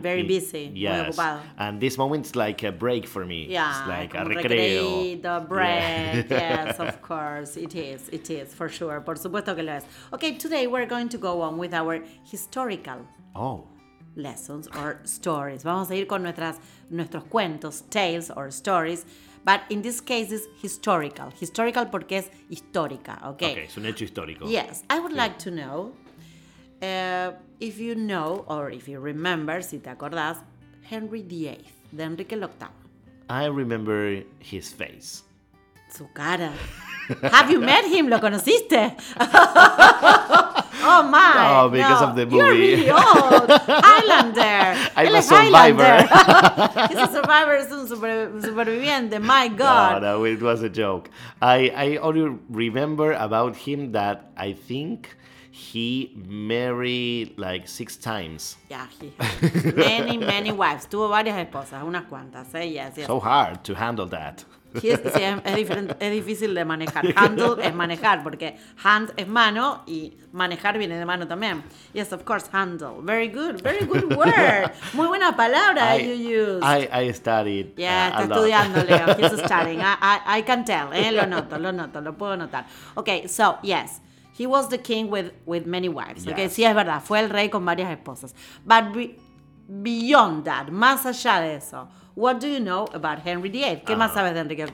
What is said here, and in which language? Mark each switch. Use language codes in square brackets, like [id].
[en] very busy. Yes. [es] Muy ocupado. [en] And this moment's like a break for me. Yeah. It's like a recreo. The break. Yeah. Yes, of course. It is, for sure. [es] Por supuesto que lo es. [en] Okay, today we're going to go on with our historical lessons or stories. [es] Vamos a ir con nuestros cuentos, [en] tales or stories. But in this case, it's historical. [es] Historical porque es histórica, okay? Okay, es un hecho histórico. [en] Yes. I would like to know. If you know, or if you remember, [es] si te acordás, [en] Henry VIII, de Enrique VIII. I remember his face. [es] Su cara. [en] Have you met him? [es] ¿Lo conociste? [en] Oh, my. No, because no. Of the movie. You're really old. Highlander. I'm a survivor. He's a survivor. He's a superviviente. My God. No, it was a joke. I only remember about him that I think... He married like 6 times. Yeah, he had many, many wives. [es] Tuvo varias esposas, unas cuantas. [en] ¿Eh? Yes, yes. So hard to handle that. [es] Es difícil de manejar. Handle es manejar, porque hand es mano y manejar viene de mano también. [en] Yes, of course, handle. Very good word. [es] Muy buena palabra [en] you used. I studied. Yeah, [es] está estudiando, [en] Leo. He's studying. I can tell. ¿Eh? [es] Lo noto, lo puedo notar. Okay, so, yes. [en] He was the king with many wives. Yes. [es] Okay, sí, es verdad. Fue el rey con varias esposas. [en] But beyond that, [es] más allá de eso, [en] what do you know about Henry VIII? [es] ¿Qué más sabes de Enrique VIII?